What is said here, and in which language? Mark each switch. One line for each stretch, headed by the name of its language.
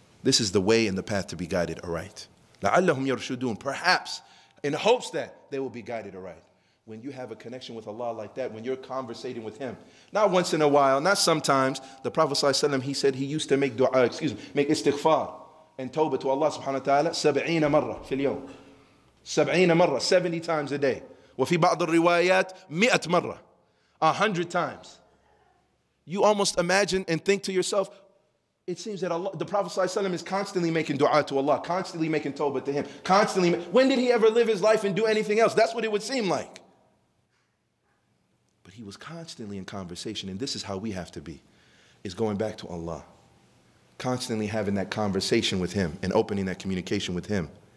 English: This is the way and the path to be guided aright.
Arabic: لَعَلَّهُمْ يَرْشُدُونَ
English: Perhaps, in hopes that they will be guided aright. When you have a connection with Allah like that, when you're conversating with Him, not once in a while, not sometimes, the Prophet ﷺ, he said he used to make dua, make istighfar and tawbah to Allah subhanahu wa ta'ala
Arabic: 70 marra fil yawm. 70 marra,
English: 70 times a day.
Arabic: وَفِي بَعْضِ الرِّوَايَاتِ 100 marra.
English: 100 times. You almost imagine and think to yourself, it seems that Allah, the Prophet ﷺ is constantly making dua to Allah, constantly making tawbah to Him, constantly. When did he ever live his life and do anything else? That's what it would seem like. But he was constantly in conversation, and this is how we have to be, is going back to Allah, constantly having that conversation with Him and opening that communication with Him.